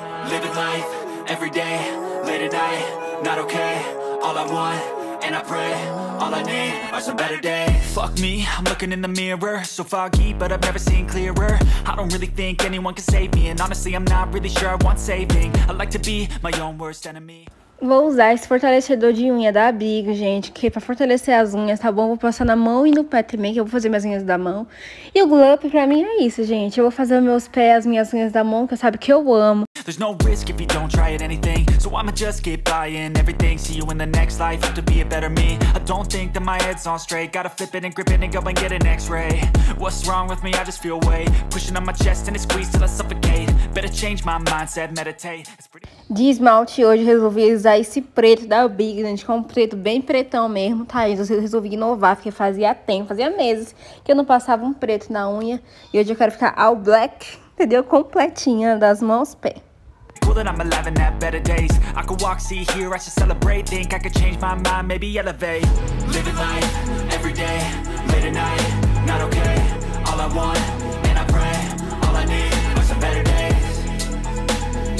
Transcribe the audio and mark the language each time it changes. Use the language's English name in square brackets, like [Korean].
[English] Living life, every day, late at night, not okay. All I want, and I pray, all I need are some better days. Fuck me, I'm looking in the mirror, so foggy, but I've never seen clearer. I don't really think anyone can save me, and honestly, I'm not really sure I want saving. I like to be my own worst enemy. [Portuguese] Vou usar esse fortalecedor de unha da Big, gente, que é pra fortalecer as unhas, tá bom? Vou passar na mão e no pé também, que eu vou fazer minhas unhas da mão. E o glow up pra mim é isso, gente. Eu vou fazer meus pés, as minhas unhas da mão, que eu sabe que eu amo. [English] There's no risk if you don't try it anything. So I'ma just get buying everything. See you in the next life, have to be a better me. I don't think that my head's on straight. Gotta flip it and grip it and go and get an x-ray. What's wrong with me? I just feel weight. Pushing on my chest and it squeezes till I suffocate. Better change my mindset, meditate. [Portuguese] De esmalte, hoje eu resolvi usar esse preto da Big, gente, que é um preto bem pretão mesmo, tá? Eu resolvi inovar, porque fazia meses que eu não passava um preto na unha. E hoje eu quero ficar [English] all black, [Portuguese] entendeu? Completinha, das mãos aos pés. [English] I'm alive and have better days. I could walk, see, hear, I should celebrate. Think I could change my mind, maybe elevate. Living life, every day, late at night, not okay. All I want, and I pray, all I need are some better days.